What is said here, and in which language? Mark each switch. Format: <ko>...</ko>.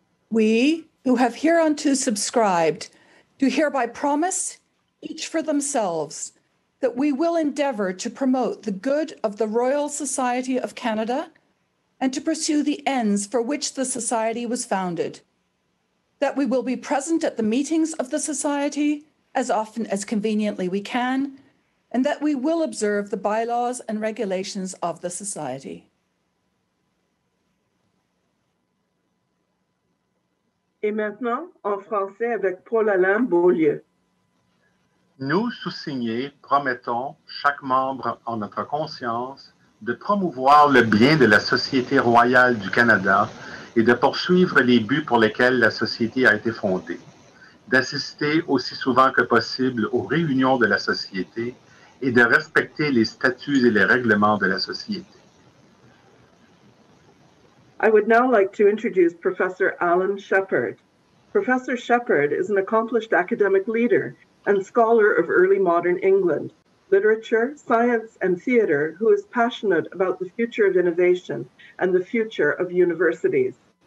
<en>We, who have hereunto subscribed, do hereby promise, each for themselves, that we will endeavor to promote the good of the Royal Society of Canada and to pursue the ends for which the Society was founded, that we will be present at the meetings of the Society as often as conveniently we can, and that we will observe the bylaws and regulations of the Society.</en> <fr>Et maintenant, en français avec Paul-Alain Beaulieu. Nous, sous-signés, promettons, chaque membre en notre conscience, de promouvoir le bien de la Société royale du Canada et de poursuivre les buts pour lesquels la Société a été fondée, d'assister aussi souvent que possible aux réunions de la Société et de respecter les statuts et les règlements de la Société.</fr> <en>I would now like to introduce Professor Alan Shepherd. Professor Shepherd is an accomplished academic leader and scholar of early modern England, literature, science, and theater, who is passionate about the future of innovation and the future of universities.</en>